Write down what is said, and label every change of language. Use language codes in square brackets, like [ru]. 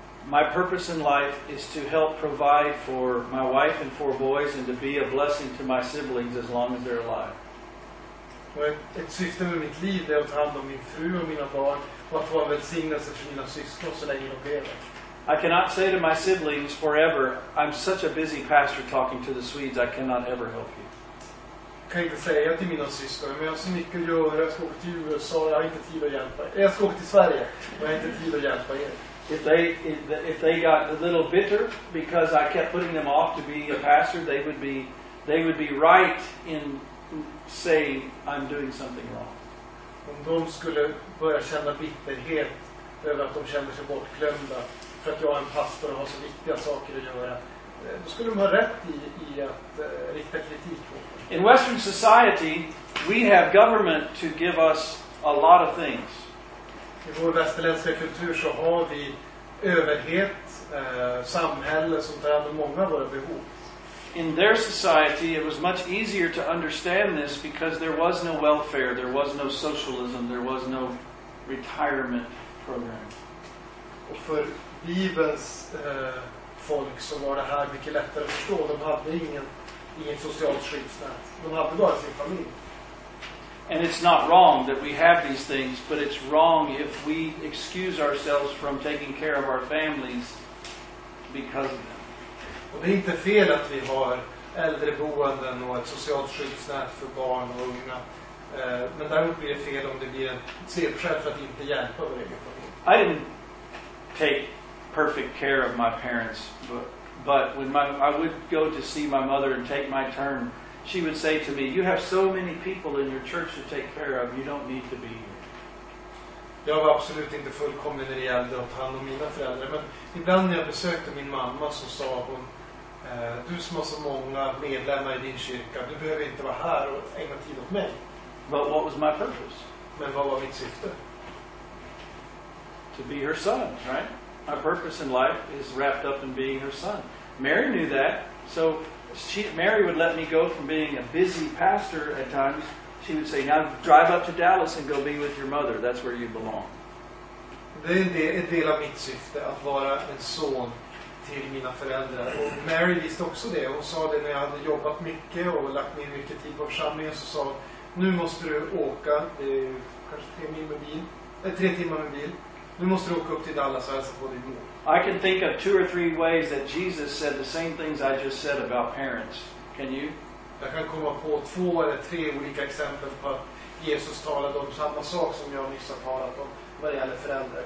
[en] My purpose in life is to help provide for my wife and 4 boys and to be a blessing to my siblings as long as they're alive. [sv] Ett syfte med mitt liv är att ta hand om min fru och mina barn och att vara välsignelse för mina syskon så länge de lever. [en] I cannot say to my siblings forever, I'm such a busy pastor talking to the Swedes, I cannot ever help you. [sv] kan inte säga till mina syskon, men jag har så mycket att göra, jag ska åka till USA, jag har inte tid att hjälpa er. Jag ska åka till Sverige, jag har inte tid att hjälpa er. [en] If they got a little bitter because I kept putting them off to be a pastor, they would be right in saying I'm doing something wrong. [sv] Om de skulle börja känna bitterhet över att de känner sig bortglömda för att jag är en pastor och har så viktiga saker att göra, då skulle de ha rätt i att rikta kritik på. [en] In Western society, we have government to give us a lot of things. [sv] I vår västerländska kultur så har vi överhet, samhälle som tar hand om många av våra behov. [en] In their society it was much easier to understand this because there was no welfare, there was no socialism, there was no retirement program. [sv] Och för Bibelns folk så var det här mycket lättare att förstå. De hade ingen socialt skyddsnät. De hade bara sin familj. [en] And it's not wrong that we have these things, but it's wrong if we excuse ourselves from taking care of our families because of them. [sv] Och det är inte fel att vi har äldreboenden och ett socialt skyddsnät för barn och unga. Men däremot blir det fel om det blir en sepskäl för att inte hjälpa vår egen familj. [en] I didn't take perfect care of my parents, but when I would go to see my mother and take my turn, she would say to me, you have so many people in your church to take care of, you don't need to be here. [sv] Jag var absolut inte fullkomlig när det gällde att ta hand om mina föräldrar, men ibland när jag besökte min mamma så sa hon, du som har så många medlemmar i din kyrka, du behöver inte vara här och ägna tid åt mig. [en] But what was my purpose? [sv] Men vad var mitt syfte? [en] To be her son, right? My purpose in life is wrapped up in being her son. Mary knew that, so Mary would let me go from being a busy pastor at times. She would say, now drive up to Dallas and go be with your mother. That's where you belong. [sv] Det är en del av mitt syfte, att vara en son till mina föräldrar. Och Mary visste också det. Hon sa det när jag hade jobbat mycket och lagt ner mycket tid på församlingen. Så sa, nu måste du åka. Det är kanske 3 timmar med bil. Nu måste du åka upp till Dallas och hälsa på din mor. [en] I can think of 2 or 3 ways that Jesus said the same things I just said about parents. Can you? [sv] Jag kan komma på 2 eller 3 olika exempel på att Jesus talade om samma sak som jag nyss har talat om vad det gäller föräldrar.